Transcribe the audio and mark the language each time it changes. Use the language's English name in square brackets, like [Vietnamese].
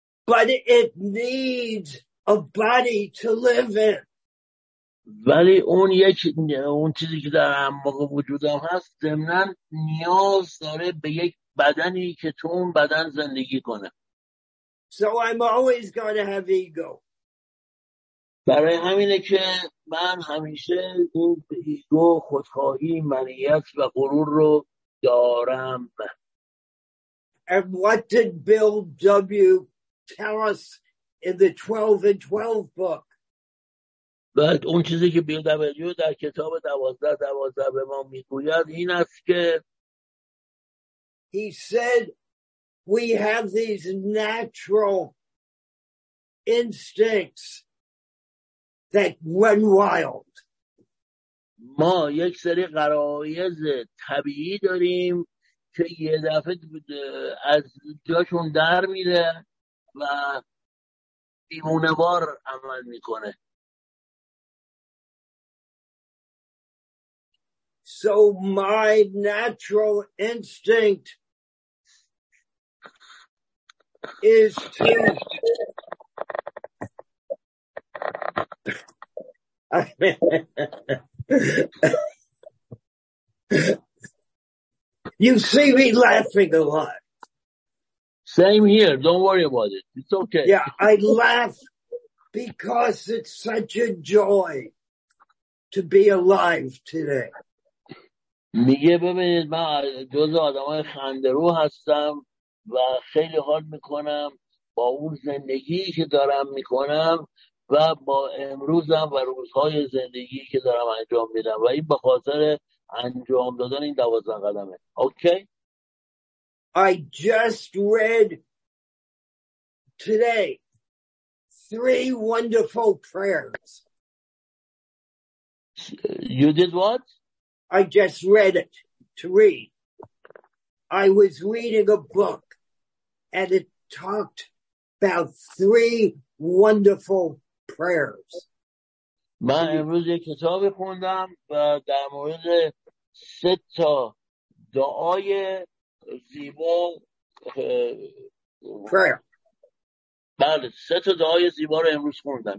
[English] But it needs a body to live in. [Persian] ولی اون یک اون چیزی که در اعماق وجودم هست ضمناً نیاز داره به یک بدنی که تو اون بدن زندگی کنه. [English] So I'm always going to have ego. [Persian] برای همینه که من همیشه ایگو، خودخواهی، منیت و غرور رو دارم. [English] And what did Bill W. tell us in the 12 and 12 book? [Persian] بعد اون چیزی که بیل دبلیو در کتاب 12 12 به ما میگوید این است که [English] He said we have these natural instincts that run wild. [Persian] ما یک سری غرایز طبیعی داریم که یه دفعه از جاشون در میره و دیوونه وار عمل میکنه. [English] So my natural instinct is to You see me laughing a lot. Same here. Don't worry about it. It's okay. Yeah, I laugh because it's such a joy to be alive today. [Persian] میگه ببینید من جز آدمای خندرو هستم و خیلی حال میکنم با اون زندگی که دارم میکنم و با امروزم و روزهای زندگی که دارم انجام میدم و این به خاطر انجام دادن این 12 قدمه. [English] Okay? I just read today 3 wonderful prayers. You did what? I just read it to read. I was reading a book and it talked about 3 wonderful prayers. [Persian] من امروز یک کتاب خوندم و در مورد 3 تا دعای زیبا [English] prayer. [Persian] بله 3 تا دعای زیبا رو امروز خوندم.